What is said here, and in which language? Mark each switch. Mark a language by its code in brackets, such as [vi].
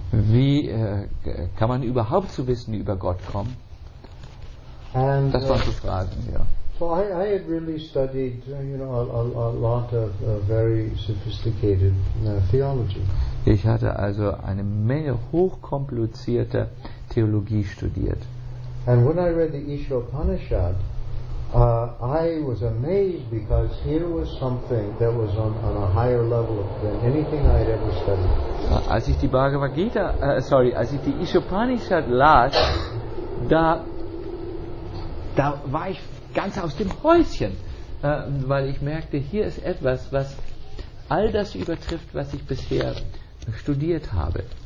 [de] Wie kann man überhaupt zu Wissen über Gott kommen? [en] And, [de] das waren so Fragen, ja. [en] So I had really studied, you know, a lot of very sophisticated theology. [de] Ich hatte also eine Menge hochkomplizierter Theologie studiert. [en] And when I read the Isha Upanishad, I was amazed because here was something that was on a higher level than anything I had ever studied. [de] Als ich die Bhagavad Gita, als ich die Isha Upanishad las, da war ich ganz aus dem Häuschen, weil ich merkte, hier ist etwas, was all das übertrifft, was ich bisher studiert habe.